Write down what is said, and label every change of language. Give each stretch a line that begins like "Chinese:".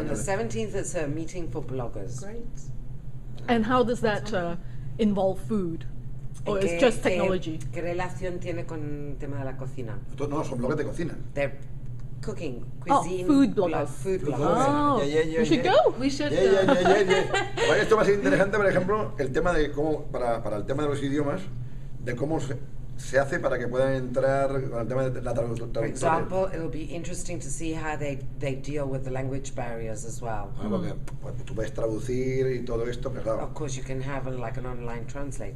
English: And the 17th is a meeting for bloggers. Great. And how does that involve food, or it's just technology?
Spanish: ¿Qué relación tiene con el tema de la cocina? No, son bloggers de cocina.
English: They're cooking, cuisine. Oh, food bloggers. Food bloggers. We should go.
Spanish: Esto va a ser interesante, por ejemplo, el tema de cómo, para el tema de los idiomas, de cómo se hace para que puedan entrar con el tema de la traducción.
English: For example, it'll be interesting to see how they deal with the language barriers as well.
Spanish: Porque pues, tú puedes traducir y todo esto, pero claro.
English: Of course, you can have an online translator.